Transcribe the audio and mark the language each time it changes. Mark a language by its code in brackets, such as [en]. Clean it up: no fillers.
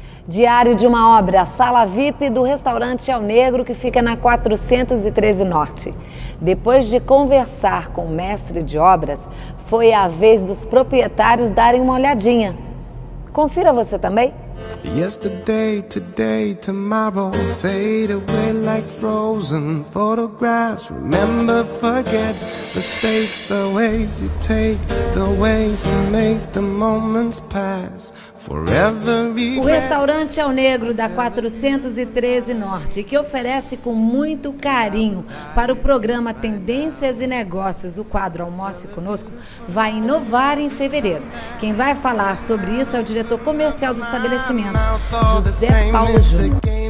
[pt] Diário de uma obra, sala VIP do restaurante El Negro, que fica na 413 Norte. Depois de conversar com o mestre de obras, foi a vez dos proprietários darem uma olhadinha. Confira você também. [en] Yesterday, today, tomorrow, fade away like frozen photographs. Remember, forget mistakes, the ways you take, the ways you make the moments pass. [pt] O restaurante El Negro da 413 Norte, que oferece com muito carinho para o programa Tendências e Negócios, o quadro Almoce Conosco, vai inovar em fevereiro. Quem vai falar sobre isso é o diretor comercial do estabelecimento, José Paulo Júnior.